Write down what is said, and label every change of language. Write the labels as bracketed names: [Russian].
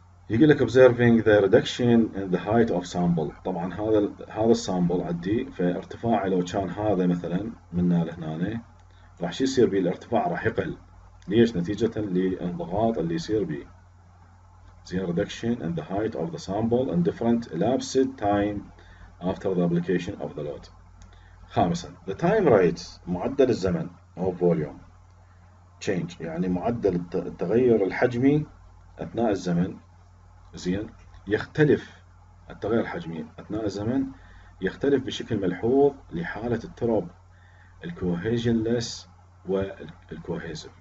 [Arabic] يقول لك [English] observing the reduction in the height of sample، [Arabic] طبعا هذا السامبل عندي، فارتفاع لو كان هذا مثلا من هنا لهنا راح شو يصير بيه؟ الارتفاع راح يقل، ليش؟ نتيجة للانضغاط اللي يصير بيه. [English] The reduction in the height of the sample and different elapsed time after the application of the load. [Arabic] خامسا the time rate، معدل الزمن او volume change، يعني معدل التغير الحجمي اثناء الزمن، زين، يختلف التغير الحجمي اثناء الزمن يختلف بشكل ملحوظ لحالة التراب الكوهيجنلس والكوهيزف.